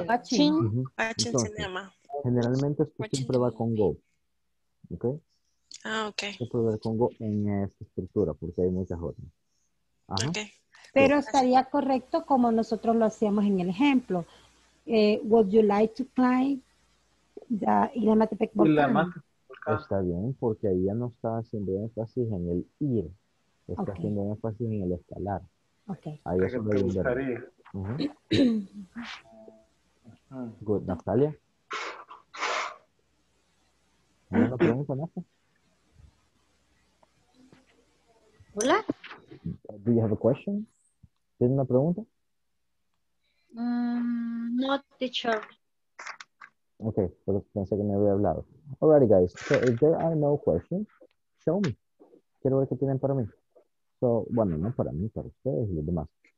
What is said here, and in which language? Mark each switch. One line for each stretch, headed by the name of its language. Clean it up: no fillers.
English: I would like to go to the cinema.
Spanish: Generalmente esto siempre va con go. ¿Ok? Ah, ok. Se puede ver con go en esta estructura porque hay muchas otras. Ajá. Ok. Pero estaría correcto como nosotros lo hacíamos en el ejemplo.
English: Would you like to climb the Matepec volcano?
Spanish: Está bien, porque ahí ya no está haciendo énfasis en el ir. Está okay. Haciendo énfasis en el escalar. Okay. Ahí es donde me gustaría.
English: Uh-huh. Good. Natalia.
Spanish: ¿Alguna pregunta, Nasta? Hola.
English: Do you have a question?
Spanish: ¿Tienes una pregunta?
English: Not teacher.
Spanish: Okay, pensé que me había hablado.
English: Alrighty, guys. So, if there are no questions, show me.
Spanish: Quiero ver qué tienen para mí. So, bueno, no para mí, para ustedes y los demás.